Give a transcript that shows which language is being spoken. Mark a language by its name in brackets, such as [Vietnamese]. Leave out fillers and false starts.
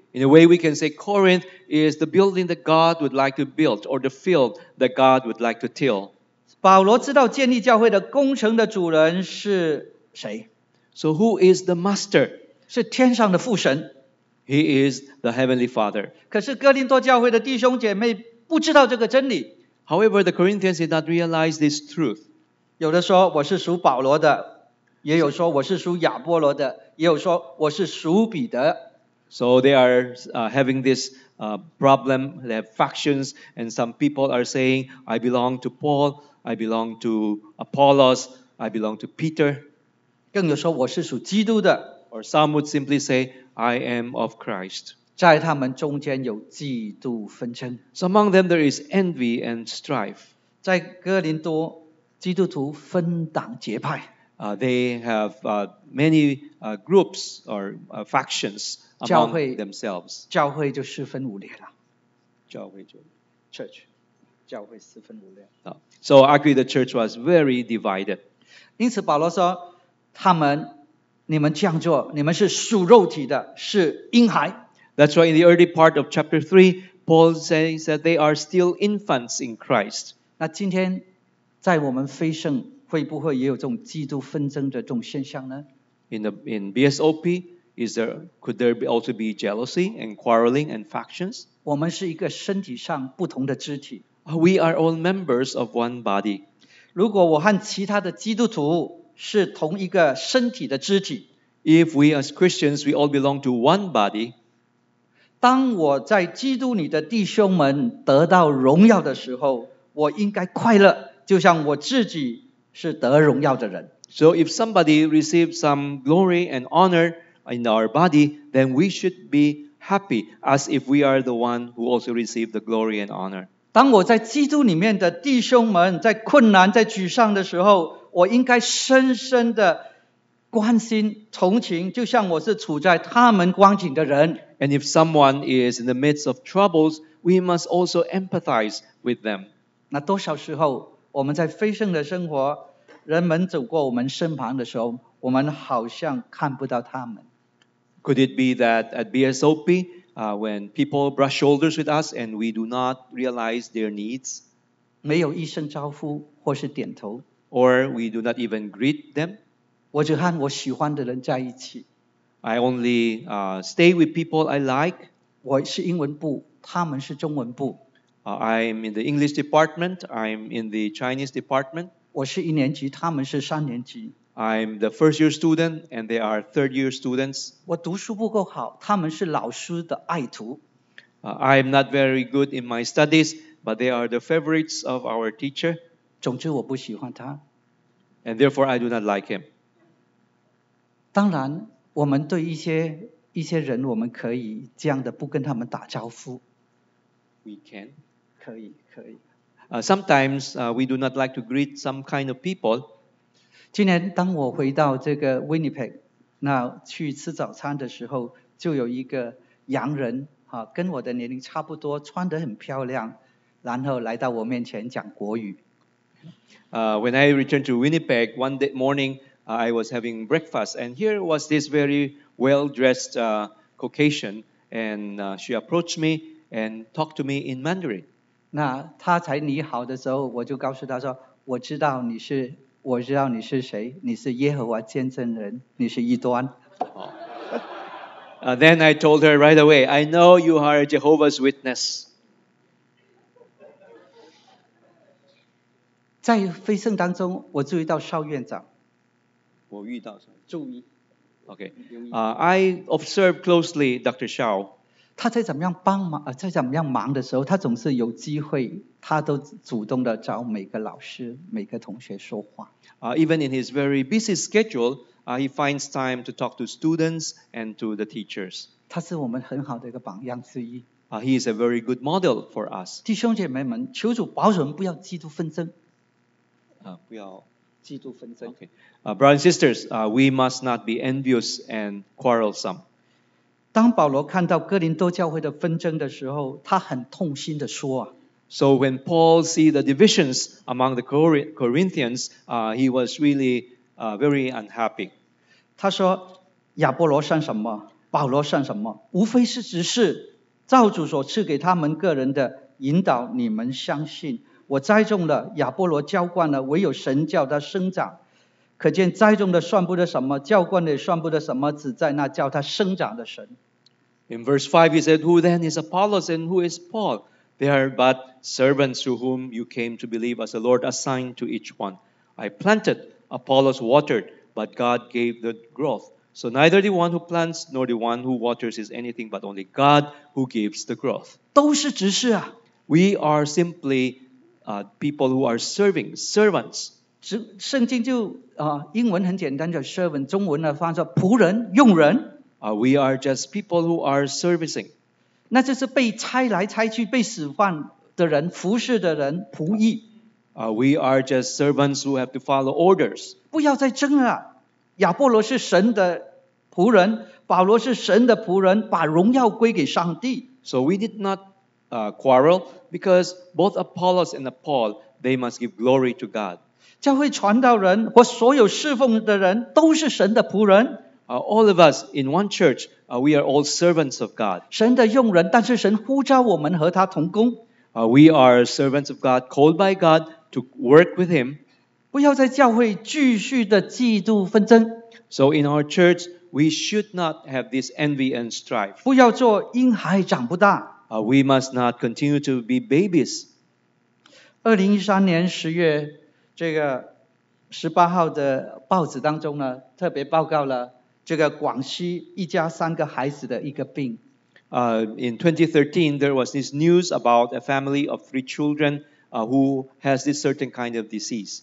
[English] In a way, we can say Corinth is the building that God would like to build, or the field that God would like to till. [Chinese] 保罗知道建立教会的工程的主人是谁。 [English] So who is the master? [Chinese] 是天上的父神。 [English] He is the Heavenly Father. [Chinese] 可是哥林多教会的弟兄姐妹不知道这个真理。 [English] However, the Corinthians did not realize this truth. [Chinese] 有的说我是属保罗的，也有说我是属亚波罗的，也有说我是属彼得。 [English] So they are having this problem, they have factions, and some people are saying, I belong to Paul, I belong to Apollos, I belong to Peter. [Chinese] 更有说我是属基督的。 [English] Or some would simply say, I am of Christ. [Chinese] 在他们中间有嫉妒纷争。 [English] So among them there is envy and strife. [Chinese] 在哥林多，基督徒分党结派。 [English] They have many groups or factions among themselves. [Chinese] 教会就四分五裂了。教会就 [English] church, [Chinese] 教会四分五裂。 [English] So actually the church was very divided. [Chinese] 因此保罗说，他们，你们这样做，你们是属肉体的，是婴孩。 [English] That's why in the early part of chapter 3, Paul says that they are still infants in Christ. [Chinese] 那今天在我们飞圣会不会也有这种基督纷争的这种现象呢？ [English] In BSOP, could there be also be jealousy and quarreling and factions? [Chinese] 我们是一个身体上不同的肢体。 [English] We are all members of one body. [Chinese] 如果我和其他的基督徒是同一个身体的肢体， [English] If we as Christians, we all belong to one body, [Chinese] 当我在基督里的弟兄们得到荣耀的时候，我应该快乐，就像我自己是得荣耀的人。 [English] So if somebody receives some glory and honor in our body, then we should be happy as if we are the one who also received the glory and honor. [Chinese] 当我在基督里面的弟兄们在困难在沮丧的时候，我应该深深的关心同情，就像我是处在他们光景的人。 [English] And if someone is in the midst of troubles, we must also empathize with them. [Chinese] 那多少时候我们在飞升的生活，人们走过我们身旁的时候，我们好像看不到他们。 [English] Could it be that at BSOP, when people brush shoulders with us and we do not realize their needs? [Chinese] 没有一声招呼或是点头。 [English] Or we do not even greet them? [Chinese] 我只和我喜欢的人在一起。 [English] I only stay with people I like. [Chinese] 我是英文部，他们是中文部。 [English] I'm in the English department, I'm in the Chinese department. [Chinese] 我是一年级，他们是三年级。 [English] I'm the first year student and they are third year students. [Chinese] 我读书不够好，他们是老师的爱徒。 [English] I'm not very good in my studies, but they are the favorites of our teacher. [Chinese] 总之我不喜欢他。 [English] And therefore I do not like him. [Chinese] 当然，我们对一些人，我们可以这样的不跟他们打招呼。 [English] We can. [Chinese] 可以，可以。 [English] Sometimes we do not like to greet some kind of people. [Chinese] 今年当我回到这个 Winnipeg, 那去吃早餐的时候，就有一个洋人，跟我的年龄差不多，穿得很漂亮，然后来到我面前讲国语。 [English] When I returned to Winnipeg, one day morning, I was having breakfast, and here was this very well-dressed Caucasian, and she approached me and talked to me in Mandarin. [Chinese] 那他才你好的时候，我就告诉他说，我知道你是谁，你是耶和华见证人，你是异端。 [English] Then I told her right away, I know you are a Jehovah's Witness. [Chinese] 在飞圣当中，我注意到邵院长。我遇到什么？注意。 [English] Okay. I observed closely Dr. Shao. [Chinese] 他在怎么样帮忙，在怎么样忙的时候，他总是有机会，他都主动的找每个老师、每个同学说话。 [English] Even in his very busy schedule, he finds time to talk to students and to the teachers. [Chinese] 他是我们很好的一个榜样之一。 [English] He is a very good model for us. [Chinese] 弟兄姐妹们，求主保守我们不要嫉妒纷争。不要嫉妒纷争。 [English] Okay. Brothers and sisters, we must not be envious and quarrelsome. [Chinese] 当保罗看到哥林多教会的纷争的时候，他很痛心的说。 [English] So when Paul see the divisions among the Corinthians, he was really very unhappy. [Chinese] 他说，亚波罗算什么？保罗算什么？无非是只是造主所赐给他们个人的引导，你们相信。我栽种了，亚波罗浇灌了，唯有神叫他生长。可见栽种的算不得什么，浇灌的算不得什么，只在那叫他生长的神。 [English] In verse 5 he said, Who then is Apollos and who is Paul? They are but servants to whom you came to believe as the Lord assigned to each one. I planted, Apollos watered, but God gave the growth. So neither the one who plants nor the one who waters is anything but only God who gives the growth. [Chinese] 都是执事啊。 [English] We are simply people who are serving, servants. [Chinese] 圣经就英文很简单叫 servant, 中文呢翻译说仆人、用人。 [English] We are just people who are servicing. [Chinese] 那就是被差来差去、被使唤的人、服侍的人、仆役。 [English] We are just servants who have to follow orders. [Chinese] 不要再争了，亚波罗是神的仆人，保罗是神的仆人，把荣耀归给上帝。 [English] So we did not quarrel, because both Apollos and Paul, they must give glory to God. [Chinese] 教会传道人或所有侍奉的人都是神的仆人。 [English] All of us in one church, we are all servants of God. [Chinese] 神的用人，但是神呼召我们和他同工。 [English] We are servants of God, called by God to work with Him. [Chinese] 不要在教会继续的嫉妒纷争。 [English] So in our church, we should not have this envy and strife. [Chinese] 不要做婴孩长不大。 [English] We must not continue to be babies. [Chinese] 2013年10月这个18号的报纸当中呢，特别报告了这个广西一家三个孩子的一个病。 [English] In 2013, there was this news about a family of three children who has this certain kind of disease.